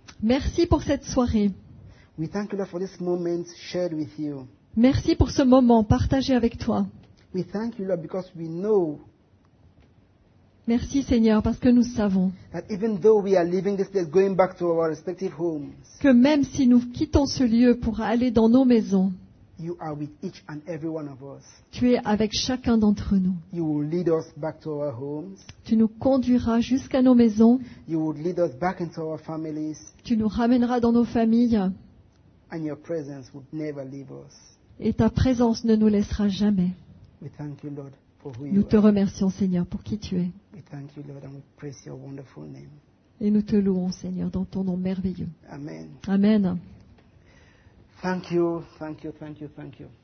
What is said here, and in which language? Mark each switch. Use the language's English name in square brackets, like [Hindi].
[French] Merci pour cette soirée. [English] We thank you, Lord, for this moment shared with you. [French] Merci pour ce moment partagé avec toi. [English] We thank you, Lord, because we know. [French] Merci, Seigneur, parce que nous savons. [English] That even though we are leaving this place, going back to our respective homes. [French] Que même si nous quittons ce lieu pour aller dans nos maisons. [English] You are with each and every one of us. [French] Tu es avec chacun d'entre nous. [English] You will lead us back to our homes. [French] Tu nous conduiras jusqu'à nos maisons. [English] You will lead us back into our families. [French] Tu nous ramèneras dans nos familles. [English] And your presence would never leave us. [French] Et ta présence ne nous laissera jamais. [English] We thank you, Lord, for who you [French] nous [English] are. [French] Te remercions, Seigneur, pour qui tu es. [English] We thank you, Lord, and we praise your wonderful name. [French] Et nous te louons, Seigneur, dans ton nom merveilleux. [English] Amen. Amen. Thank you, thank you, thank you, thank you.